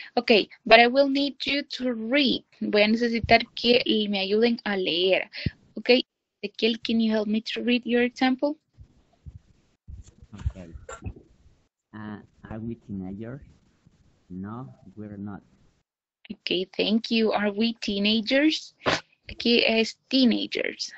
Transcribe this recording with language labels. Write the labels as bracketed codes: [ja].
[en] Okay, but I will need you to read. [es] Voy a necesitar que me ayuden a leer. [en] Okay, Ezequiel, can you help me to read your example? Okay. Are we teenagers? No, we're not. Okay, thank you. Are we teenagers? Aquí es teenagers.